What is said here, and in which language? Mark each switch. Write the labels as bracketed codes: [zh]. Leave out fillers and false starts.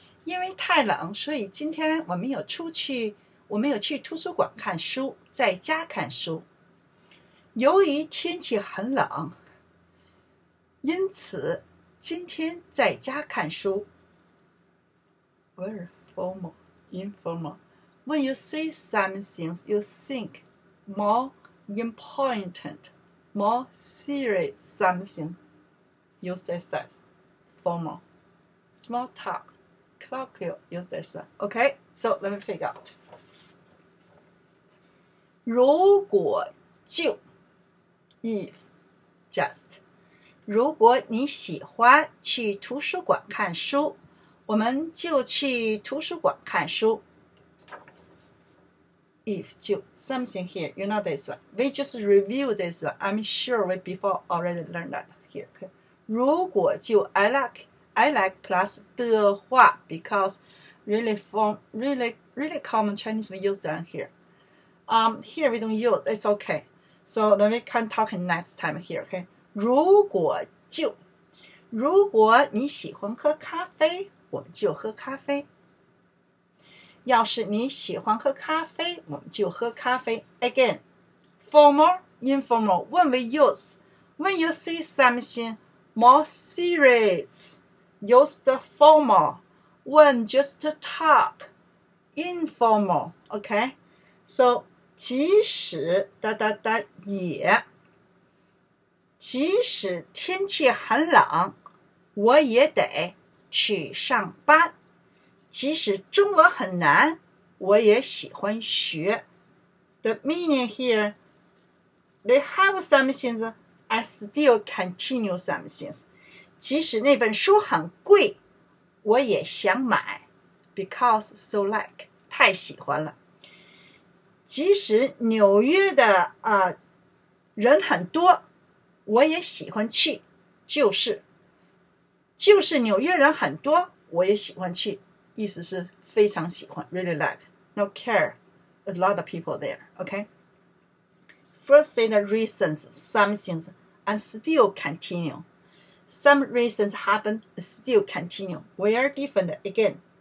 [zh] 因为太冷,所以今天我没有去图书馆看书,在家看书。由于天气很冷, 因此今天在家看书。 [en] Very formal, informal. When you say some things, you think more important, more serious something, you say that, formal. Small talk, colloquial, use this one. Okay, so let me figure out. [zh] 如果就, [en] if, just, [zh] 如果你喜欢去图书馆看书, 我们就去图书馆看书。 [en] If, 就, something here, you know this one. We just review this one. I'm sure we before already learned that here. Okay. 如果就, I like plus 的话, because really form, really common Chinese we use down here. Here we don't use, it's okay. So then we can talk next time here, okay? [zh] 如果就, 如果你喜欢喝咖啡, 我们就喝咖啡。要是你喜欢喝咖啡, 我们就喝咖啡。 [en] Again, formal, informal, when we use, when you say something more serious, use the formal, when just talk, informal, okay? [zh] So, 即使, 哒哒哒, 也, 即使天气很冷, 我也得去上班。其实中文很难，我也喜欢学。 [en] The meaning here, they have some things, I still continue some things. [zh] 其实那本书很贵，我也想买。 [en] Because so like, [zh] 太喜欢了。即使纽约的人很多，我也喜欢去。就是纽约人很多，我也喜欢去。意思是非常喜欢 ， [en] really like, no care, a lot of people there. [zh] Okay. [en] First, say the reasons, some things, and still continue. Some reasons happen, still continue. We are different again.